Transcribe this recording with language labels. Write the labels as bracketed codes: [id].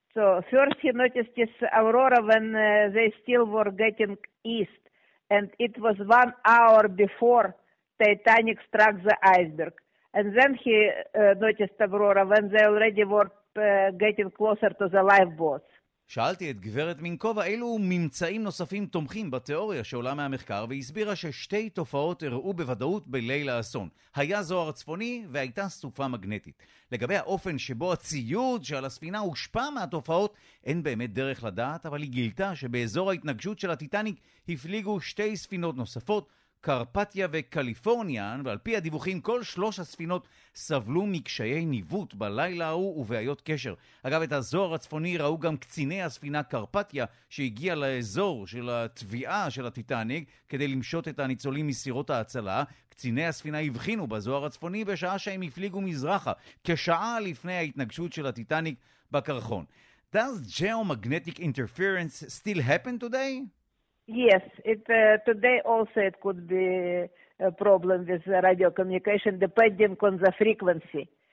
[en] So first he noticed this aurora when they still were getting east. And it was 1 hour before Titanic struck the iceberg. And then he noticed aurora when they already were getting closer to the lifeboats. [he] שאלתי את גברת מינקובה אילו ממצאים נוספים תומכים בתיאוריה שעולה מהמחקר, והסבירה ששתי תופעות הראו בוודאות בליל האסון. היה זוהר צפוני והייתה סופה מגנטית. לגבי האופן שבו הציוד שעל הספינה הושפע מהתופעות, אין באמת דרך לדעת, אבל היא גילתה שבאזור ההתנגשות של הטיטניק הפליגו שתי ספינות נוספות, קרפתיה וקליפורניאן, ועל פי הדיווחים כל שלוש הספינות סבלו מקשיי ניווט בלילה ההוא ובעיות קשר. אגב, את הזוהר הצפוני ראו גם קציני הספינה קרפתיה שהגיע לאזור של התביעה של הטיטניק כדי למשות את הניצולים מסירות ההצלה. קציני הספינה הבחינו בזוהר הצפוני בשעה שהם הפליגו מזרחה כשעה לפני ההתנגשות של הטיטניק בקרחון. [en] Does geomagnetic interference still happen today? Yes, it today also it could be a problem with radio communication depending on the frequency.